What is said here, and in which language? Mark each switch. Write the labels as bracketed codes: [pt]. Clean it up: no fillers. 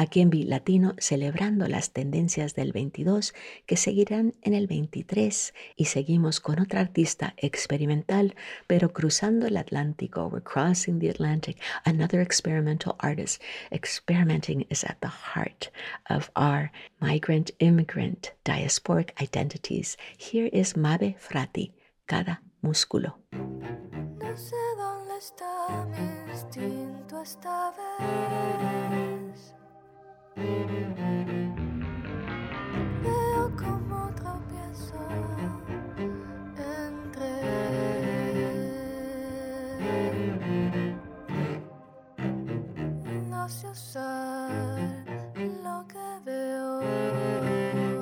[es] aquí en Beat Latino, celebrando las tendencias del 22 que seguirán en el 23, y seguimos con otra artista experimental, pero cruzando el Atlántico. [en] We're crossing the Atlantic. Another experimental artist. Experimenting is at the heart of our migrant, immigrant, diasporic identities. Here is Mabe Frati, Cada Músculo. [es] No sé dónde está mi instinto esta vez. Veo como tropiezo entre no sé usar lo que veo.